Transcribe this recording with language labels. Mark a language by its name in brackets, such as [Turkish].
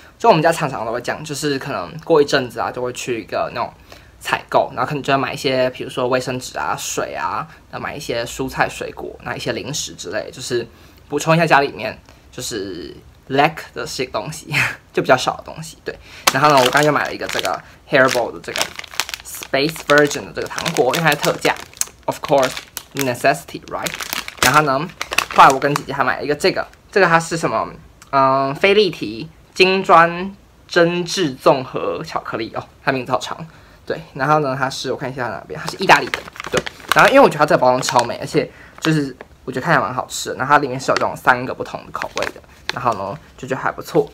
[Chinese] 就我们家常常都会讲，就是可能过一阵子啊，就会去一个那种采购，然后可能就要买一些，比如说卫生纸啊、水啊，然后买一些蔬菜、水果，那一些零食之类，就是补充一下家里面就是 lack 的些东西，就比较少的东西。对。然后呢，我刚刚又买了一个这个 Haribo 的这个 Space Virgin 的这个糖果，因为它特价。 [English] Of course, necessity, right? [Chinese] 然后呢，后来我跟姐姐还买了一个这个，这个它是什么？菲力提金砖真挚综合巧克力哦，它名字好长。对，然后呢，它是我看一下哪边，它是意大利的。对，然后因为我觉得它这个包装超美，而且就是我觉得看起来蛮好吃的，然后它里面是有这种三个不同的口味的，然后呢就觉得还不错。